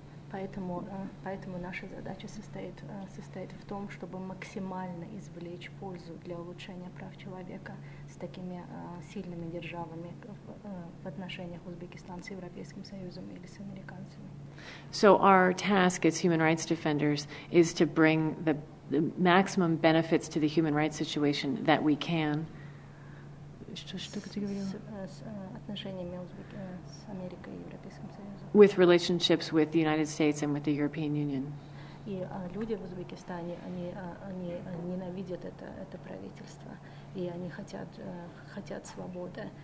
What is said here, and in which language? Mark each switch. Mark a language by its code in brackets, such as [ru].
[ru] Поэтому наша задача состоит в том, чтобы максимально извлечь пользу для улучшения прав человека с такими сильными державами в отношениях Узбекистан с Европейским Союзом или с американцами. [en] So our task as human rights defenders is to bring the maximum benefits to the human rights situation that we can. [ru] Что ты говорила? С отношениями с Америкой и Европейским Союзом. [en] With relationships with the United States and with the European Union. [ru] И люди в Узбекистане, они ненавидят это правительство, и они хотят свободы.